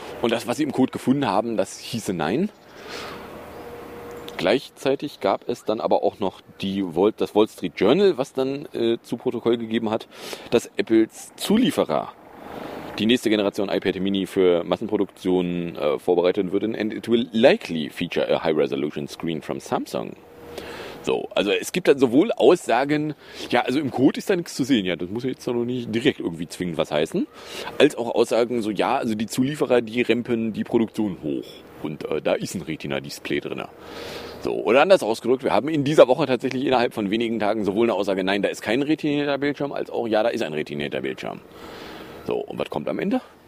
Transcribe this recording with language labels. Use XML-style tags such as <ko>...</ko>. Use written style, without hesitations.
<de>Und das, was sie im Code gefunden haben, das hieße nein. Gleichzeitig gab es dann aber auch noch das Wall Street Journal, was dann zu Protokoll gegeben hat, dass Apples Zulieferer die nächste Generation iPad Mini für Massenproduktion vorbereiten würden.</de> <en>And it will likely feature a high-resolution screen from Samsung.</en> <de>So, also es gibt dann sowohl Aussagen, ja, also im Code ist da nichts zu sehen, ja, das muss ja jetzt noch nicht direkt irgendwie zwingend was heißen, als auch Aussagen so, ja, also die Zulieferer, die rempen die Produktion hoch und da ist ein Retina-Display drin. So, oder anders ausgedrückt, wir haben in dieser Woche tatsächlich innerhalb von wenigen Tagen sowohl eine Aussage, nein, da ist kein retinierter Bildschirm, als auch, ja, da ist ein retinierter Bildschirm. So, und was kommt am Ende?</de>